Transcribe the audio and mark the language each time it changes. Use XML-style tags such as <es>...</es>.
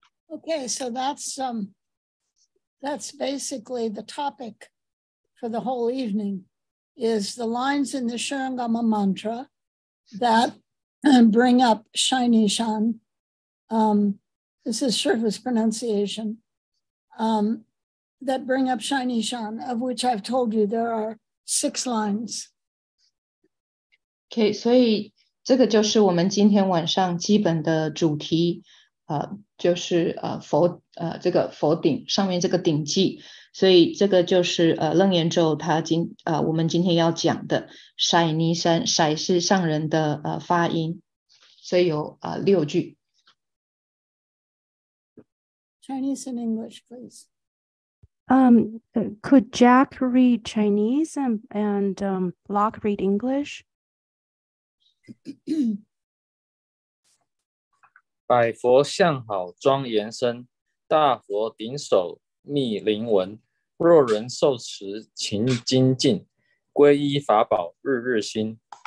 <en>Okay, so that's basically the topic for the whole evening, is the lines in the Shurangama mantra that bring up uṣṇīṣaṃ. This is surface pronunciation. That bring up uṣṇīṣaṃ, of which I've told you there are six lines.</en> <zh>OK, 所以这个就是我们今天晚上基本的主题、就是、佛、这个佛顶上面这个顶记，所以这个就是楞严咒它今、我们今天要讲的塞尼山，塞是上人的、发音，所以有、六句。</zh> <en>Chinese and English, please. Could Jack read Chinese and Locke read English?</en> <zh>百佛相好庄严身，大佛顶首密灵文，若人受持勤精进，皈依法宝日日新。</zh>